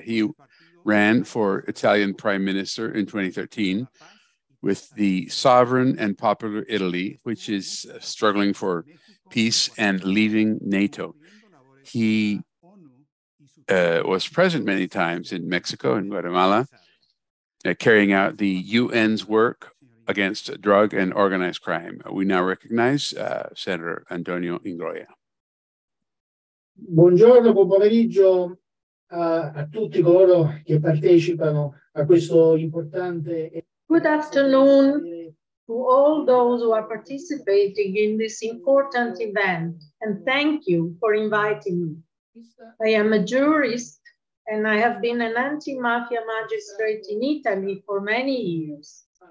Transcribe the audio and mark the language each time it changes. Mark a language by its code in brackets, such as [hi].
[en] He ran for Italian prime minister in 2013 with the sovereign and popular Italy, which is struggling for peace and leaving NATO. He was present many times in Mexico and Guatemala, carrying out the UN's work against drug and organized crime. We now recognize Senator Antonio Ingroia. [it] Buongiorno, buon pomeriggio a tutti coloro che partecipano a questo importante. [en] Good afternoon to all those who are participating in this important event, and thank you for inviting me. I am a jurist, and I have been an anti-mafia magistrate in Italy for many years.